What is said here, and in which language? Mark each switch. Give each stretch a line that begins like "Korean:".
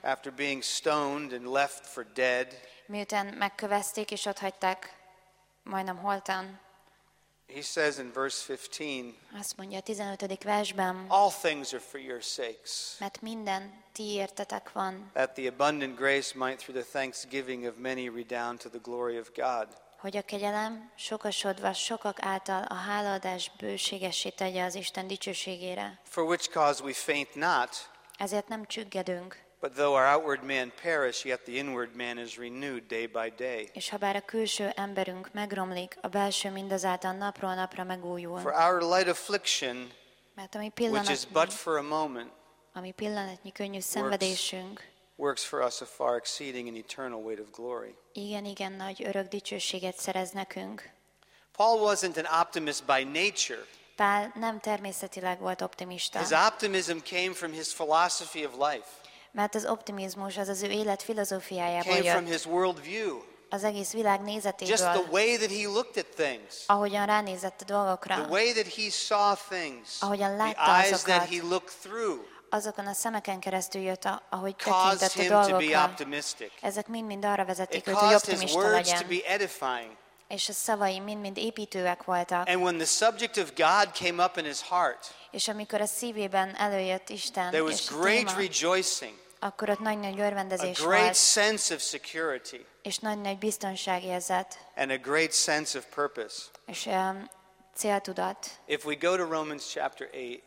English: after being stoned and left for dead,
Hungarian: miután megkövezték és ott hagyták majdnem holtan,
English: he says in verse 15,
Hungarian: azt mondja a 15. versben,
English: all things are for your sakes,
Hungarian: mert minden ti értetek van,
English: that the abundant grace might through the thanksgiving of many redound to the glory of God.
Hungarian: Hogy a kegyelem sokasodva sokak által a hálaadás bőségessé tegye az Isten dicsőségére.
English: For which cause we faint not.
Hungarian: Ezért nem csüggedünk.
English: But though our outward man perish, yet the inward man is renewed day by day.
Hungarian: És ha bár a külső emberünk megromlik, a belső mindazáltal napról napra megújul.
English: For our light affliction, which is but for a moment,
Hungarian: ami pillanatnyi könnyű szenvedésünk,
English: works for us a far exceeding and eternal weight of glory.
Hungarian: Igen, igen, nagy örök dicsőséget szerez nekünk.
English: Paul wasn't an optimist by nature.
Hungarian: Pál nem természetileg volt optimista.
English: His optimism came from his philosophy of life.
Hungarian: Mert az optimizmus az ő élet filozófiájából
English: came
Hungarian: jött.
English: From his world view.
Hungarian: Az egész világ nézetéből.
English: Just the way that he looked at things.
Hungarian: Ahogyan ránézett a dolgokra.
English: The way that he saw things.
Hungarian: Ahogyan látta
English: the eyes
Hungarian: azokat.
English: That he looked through.
Hungarian: Azokon a szemeken keresztül jött, ahogy tekintett a dolgokra. Ezek mind-mind arra vezették őt, hogy optimista legyen. És a szavai mind-mind építőek voltak.
English: And when the subject of God came up in his heart,
Hungarian: és amikor a szívében előjött Isten,
English: there was
Hungarian: és a
English: great
Hungarian: téma,
English: rejoicing,
Hungarian: akkor ott nagy-nagy örvendezés
English: a great
Hungarian: volt,
English: sense of security,
Hungarian: és nagy-nagy biztonsági érzet,
English: and a great sense of purpose.
Hungarian: És céltudat.
English: If we go to Romans chapter 8,